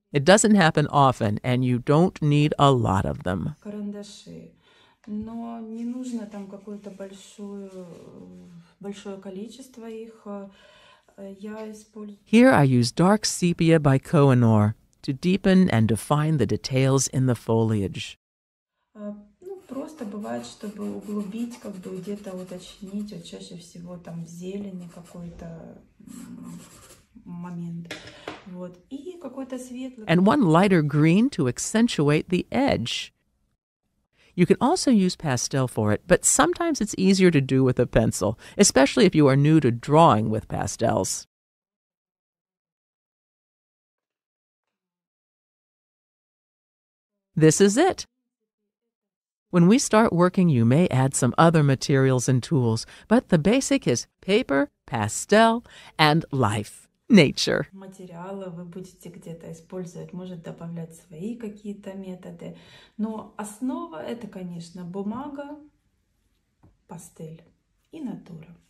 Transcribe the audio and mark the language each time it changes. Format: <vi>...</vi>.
<en>It doesn't happen often, and you don't need a lot of them.</en> <ru>Карандаши. Но не нужно там какое-то большое количество их. Я использую.</ru> <en>Here I use dark sepia by Kavura to deepen and define the details in the foliage.</en> <ru>Просто бывает, чтобы углубить, как бы где-то уточнить, вот чаще всего там в зелени какой-то момент. Вот. И какой-то светлый.</ru> <en>And one lighter green to accentuate the edge. You can also use pastel for it, but sometimes it's easier to do with a pencil, especially if you are new to drawing with pastels. This is it. When we start working, you may add some other materials and tools, but the basic is paper, pastel, and life, nature.</en> <ru>Материалы вы будете где-то использовать, может добавлять свои какие-то методы, но основа это, конечно, бумага, пастель и натура.</ru>